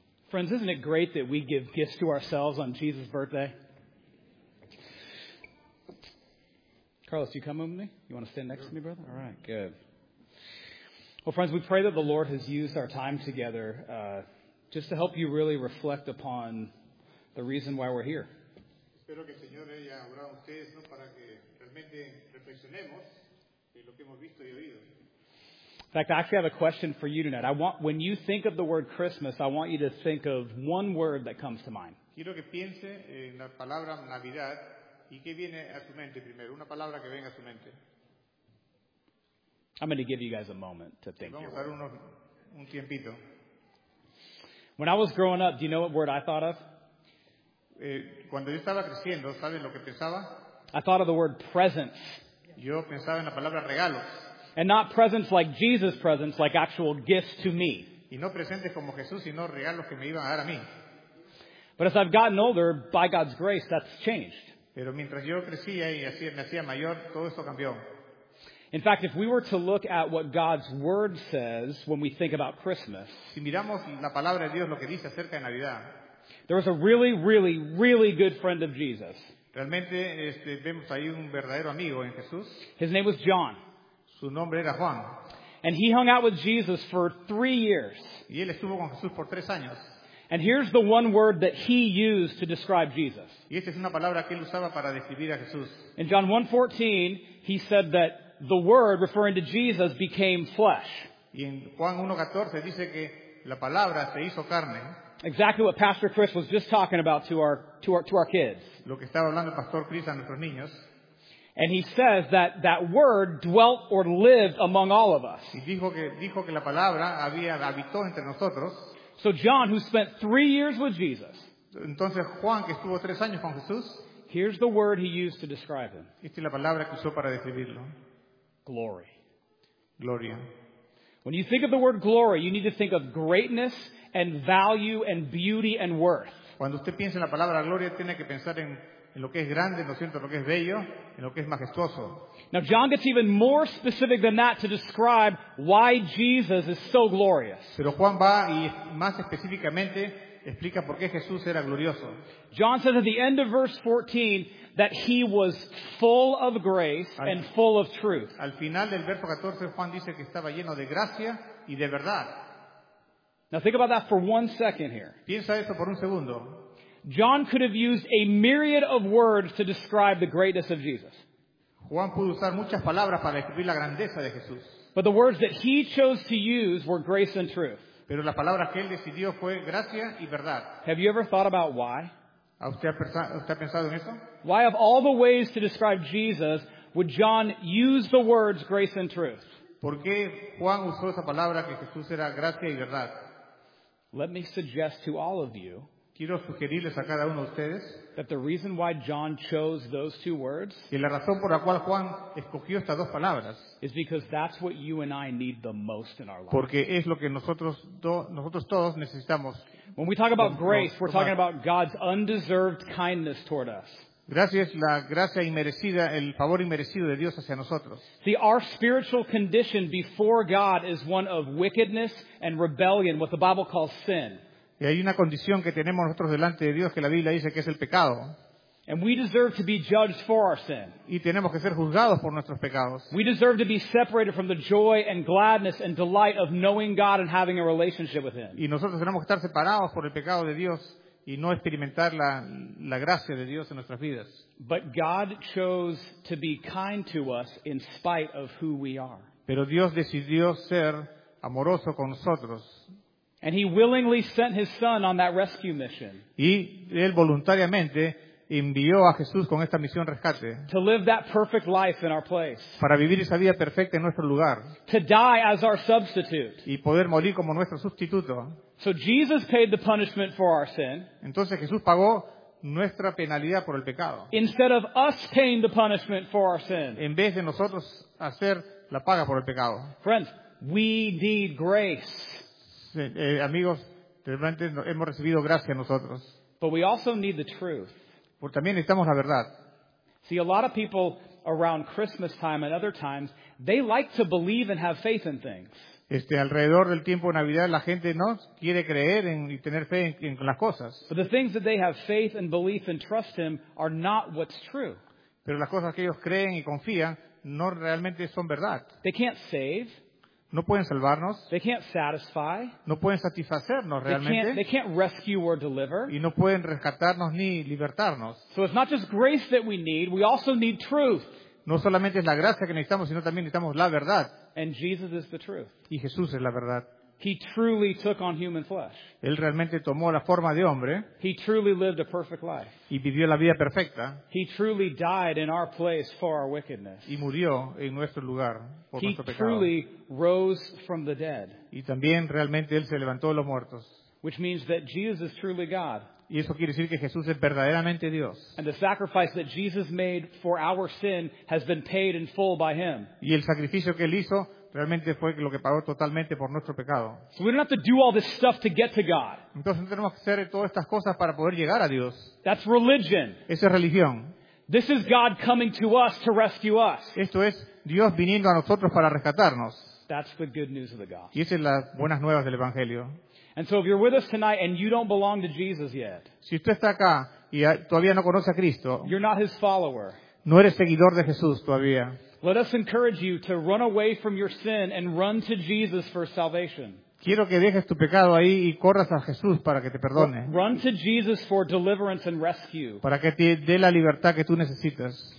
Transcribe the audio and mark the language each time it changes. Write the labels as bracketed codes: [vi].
[en] Friends, isn't it great that we give gifts to ourselves on Jesus' birthday? Carlos, you come with me? You want to stand next to me, brother? All right, good. Well, friends, we pray that the Lord has used our time together just to help you really reflect upon the reason why we're here. [es] Espero que el Señor haya hablado a ustedes, ¿no? Para que realmente reflexionemos de lo que hemos visto y oído. [en] In fact, I actually have a question for you tonight. I want, when you think of the word Christmas, I want you to think of one word that comes to mind. [es] Quiero que piense en la palabra Navidad y que viene a su mente primero, una palabra que venga a su mente. [en] I'm going to give you guys a moment to think. [es] Vamos a dar un tiempito. [en] When I was growing up, do you know what word I thought of? [es] Cuando yo estaba creciendo, ¿sabes lo que pensaba? [en] I thought of the word presents. [es] Yo pensaba en la palabra regalos. [en] And not presents like Jesus' presents, like actual gifts to me. [es] Y no presentes como Jesús, sino regalos que me iban a dar a mí. [en] But as I've gotten older, by God's grace, that's changed. [es] Pero mientras yo crecía y así me hacía mayor, todo esto cambió. [en] In fact, if we were to look at what God's Word says when we think about Christmas, [es] si miramos la palabra de Dios, lo que dice acerca de Navidad, [en] there was a really, really, really good friend of Jesus. [es] Realmente, vemos ahí un verdadero amigo en Jesús. [en] His name was John. [es] Su nombre era Juan. [en] And he hung out with Jesus for 3 years. [es] Y él estuvo con Jesús por 3 años. [en] And here's the one word that he used to describe Jesus. [es] Y esta es una palabra que él usaba para describir a Jesús. [en] In John 1:14, he said that the Word, referring to Jesus, became flesh. [es] Y en Juan 1:14 dice que la palabra se hizo carne. [en] Exactly what Pastor Chris was just talking about to our kids. [es] Lo que estaba hablando el Pastor Chris a nuestros niños. [en] And he says that that word dwelt or lived among all of us. [es] Y dijo que la palabra habitó entre nosotros. [en] So John, who spent 3 years with Jesus, [es] entonces Juan, que estuvo 3 años con Jesús, [en] here's the word he used to describe him. [es] Esta es la palabra que usó para describirlo. [en] Glory. [es] Gloria. [en] When you think of the word glory, you need to think of greatness and value and beauty and worth. [es] Cuando usted piensa en la palabra gloria, tiene que pensar en lo que es grande, ¿no es cierto?, lo que es bello, en lo que es majestuoso. [en] Now John gets even more specific than that to describe why Jesus is so glorious. [es] Pero Juan va y más específicamente explica por qué Jesús era glorioso. [en] John says at the end of verse 14 that he was full of grace and full of truth. [es] Al final del verso 14 Juan dice que estaba lleno de gracia y de verdad. [en] Now think about that for 1 second here. [es] Piensa eso por un segundo. [en] John could have used a myriad of words to describe the greatness of Jesus. [es] Juan pudo usar muchas palabras para describir la grandeza de Jesús. [en] But the words that he chose to use were grace and truth. [es] Pero las palabras que él decidió fue gracia y verdad. [en] Have you ever thought about why? [es] ¿Usted ha pensado en eso? [en] Why of all the ways to describe Jesus would John use the words grace and truth? [es] ¿Por qué Juan usó esa palabra que Jesús era gracia y verdad? [en] Let me suggest to all of you [es] quiero sugerirles a cada uno de ustedes [en] that the reason why John chose those two words [es] y la razón por la cual Juan escogió estas dos palabras [en] is because that's what you and I need the most in our lives. [es] Porque es lo que nosotros todos necesitamos. [en] When we talk about grace, we're talking about God's undeserved kindness toward us. [es] Gracias, la gracia inmerecida, el favor inmerecido de Dios hacia nosotros. [en] See, our spiritual condition before God is one of wickedness and rebellion, what the Bible calls sin. [es] Y hay una condición que tenemos nosotros delante de Dios que la Biblia dice que es el pecado. [en] And we deserve to be judged for our sin. [es] Y tenemos que ser juzgados por nuestros pecados. [en] We deserve to be separated from the joy and gladness and delight of knowing God and having a relationship with Him. [es] Y nosotros tenemos que estar separados por el pecado de Dios y no experimentar la gracia de Dios en nuestras vidas. [en] But God chose to be kind to us in spite of who we are. [es] Pero Dios decidió ser amoroso con nosotros. [en] And He willingly sent His Son on that rescue mission. [es] Y Él voluntariamente envió a Jesús con esta misión rescate. [en] To live that perfect life in our place. [es] Para vivir esa vida perfecta en nuestro lugar. [en] To die as our substitute. [es] Y poder morir como nuestro sustituto. [en] So Jesus paid the punishment for our sin. [es] Entonces Jesús pagó nuestra penalidad por el pecado. [en] Instead of us paying the punishment for our sin. [es] En vez de nosotros hacer la paga por el pecado. [en] Friends, we need grace. [es] Amigos, realmente hemos recibido gracia nosotros. [en] But we also need the truth. [es] Porque también necesitamos la verdad. [en] See, a lot of people around Christmas time and other times, they like to believe and have faith in things. [es] Alrededor del tiempo de Navidad, la gente no quiere creer y tener fe en las cosas. [en] But the things that they have faith and belief and trust in are not what's true. [es] Pero las cosas que ellos creen y confían no realmente son verdad. [en] They can't save. [es] No pueden salvarnos. [en] They can't satisfy. [es] No pueden satisfacernos realmente. [en] They can't rescue or deliver. [es] Y no pueden rescatarnos ni libertarnos. [en] So it's not just grace that we need, we also need truth. [es] No solamente es la gracia que necesitamos, sino también necesitamos la verdad. [en] And Jesus is the truth. [es] Y Jesús es la verdad. [en] He truly took on human flesh. [es] Él realmente tomó la forma de hombre. [en] He truly lived a perfect life. [es] Y vivió la vida perfecta. [en] He truly died in our place for our wickedness. [es] Y murió en nuestro lugar por nuestro pecado. [en] He truly rose from the dead. [es] Y también realmente Él se levantó de los muertos. [en] Which means that Jesus is truly God. [es] Y eso quiere decir que Jesús es verdaderamente Dios. [en] And the sacrifice that Jesus made for our sin has been paid in full by Him. [es] Y el sacrificio que Él hizo realmente fue lo que pagó totalmente por nuestro pecado. [en] So we don't have to do all this stuff to get to God. [es] Entonces no tenemos que hacer todas estas cosas para poder llegar a Dios. [en] That's religion. [es] Esa es religión. [en] This is God coming to us to rescue us. [es] Esto es Dios viniendo a nosotros para rescatarnos. [en] That's the good news of the gospel. [es] Y esas son las buenas nuevas del Evangelio. [en] And so if you're with us tonight and you don't belong to Jesus yet, [es] si usted está acá y todavía no conoce a Cristo, [en] you're not His follower. [es] No eres seguidor de Jesús todavía. [en] Let us encourage you to run away from your sin and run to Jesus for salvation. [es] Quiero que dejes tu pecado ahí y corras a Jesús para que te perdone. [en] Run to Jesus for deliverance and rescue. [es] Para que te dé la libertad que tú necesitas.